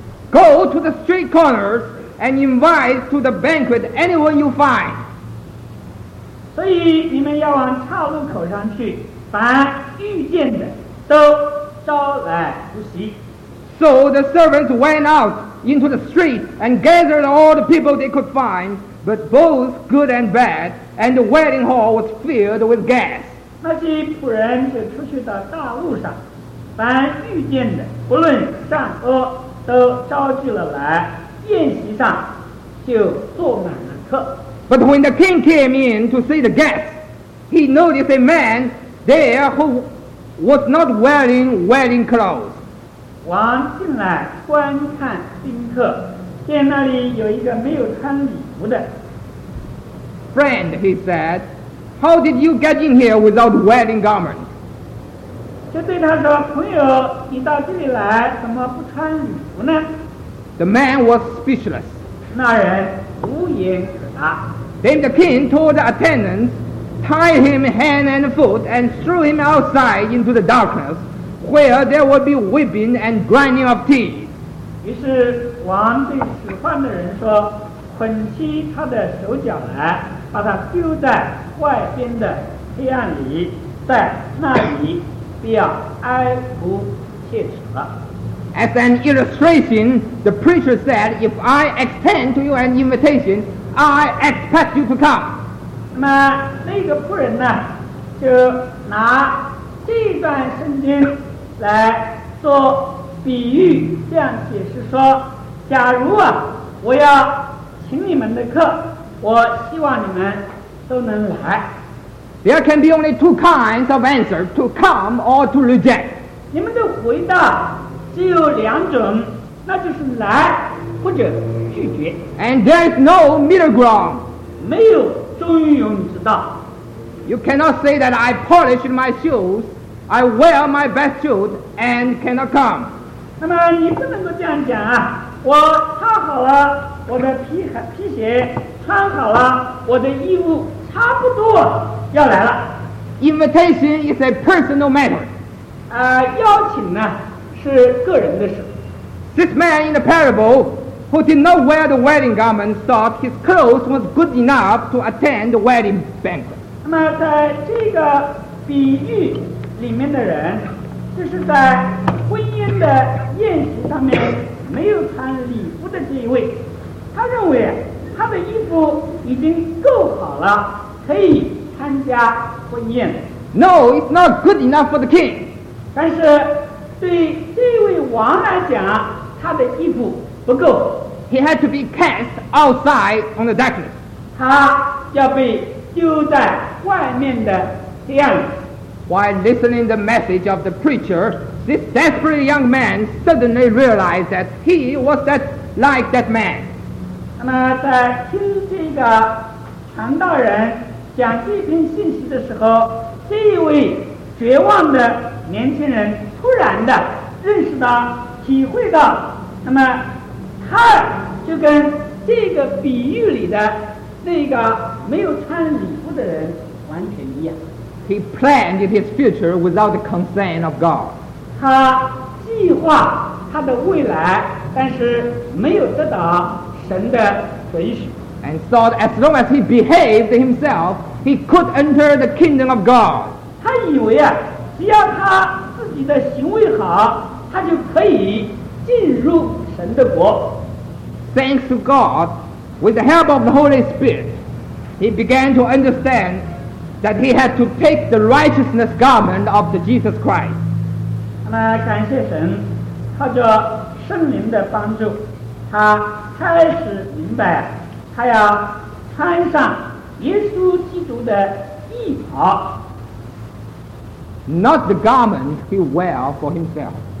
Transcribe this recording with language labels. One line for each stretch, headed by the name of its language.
English: Go to the street corners and invite to the banquet anyone you find.
Chinese: 所以你们要往岔路口上去，把遇见的都招来出席。
English: So the servants went out into the street and gathered all the people they could find, but both good and bad, and the wedding hall was filled with guests.
Chinese: 那些仆人就出去到大路上，凡遇见的，不论善恶，都招聚了来，宴席上就坐满了客。
English: But when the king came in to see the guests, he noticed a man there who was not wearing wedding clothes.
Chinese: 王进来观看宾客，见那里有一个没有穿礼服的。
English: Friend, he said, how did you get in here without wedding garment?
Chinese: 就对他说，朋友，你到这里来怎么不穿礼服呢？
English: The man was speechless.
Chinese: 那人无言可答。
English: Then the king told the attendants, tie him hand and foot and threw him outside into the darkness. Where there would be weeping and grinding of teeth.
Chinese: 于是王对使唤的人说，捆起他的手脚来，把他丢在外边的黑暗里，在那里必要哀哭切齿了。
English: As an illustration, the preacher said, if I extend to you an invitation, I expect you to come.
Chinese: 那么那个仆人呢，就拿这段圣经来做比喻，这样解释说，假如啊，我要请你们的客，我希望你们都能来。
English: There can be only two kinds of answer, to come or to reject.
Chinese: 你们的回答只有两种，那就是来或者拒绝。
English: And there is no middle ground.
Chinese: 没有中庸之道。
English: You cannot say that I polished my shoes,I wear my best suit and cannot come.
Chinese: 那么你不能够这样讲啊！我擦好了我的皮鞋，穿好了我的衣物，差不多要来了。
English: Invitation is a personal matter.
Chinese: 邀请呢是个人的事。
English: This man in the parable who did not wear the wedding garment thought his clothes was good enough to attend the wedding banquet.
Chinese: 那么在这个比喻。里面的人就是在婚姻的宴席上面没有穿礼服的这一位，他认为他的衣服已经够好了，可以参加婚宴。
English: No, it's not good enough for the king.
Chinese: 但是对这位王来讲，他的衣服不够。
English: He had to be cast outside on the darkness.
Chinese: 他要被丢在外面的黑暗里。
English: While listening to the message of the preacher, this desperate young man suddenly realized that he was that, like that man.
Chinese: 那么在听这个传道人讲这篇信息的时候，这一位绝望的年轻人突然的认识到，体会到，那么他就跟这个比喻里的那个没有穿礼服的人完全一样。
English: He planned his future without the consent of God.
Chinese: 他计划他的未来，但是没有得到神的准许。
English: And thought as long as he behaved himself, he could enter the kingdom of God.
Chinese: 他以为啊，只要他自己的行为好，他就可以进入神的国。
English: Thanks to God, with the help of the Holy Spirit, he began to understand. That he had to take the righteousness garment of the Jesus Christ.
Chinese: 那么感谢神，靠着圣灵的帮助，他开始明白，他要穿上耶稣基督的义袍。
English: Not the garment he wear for himself.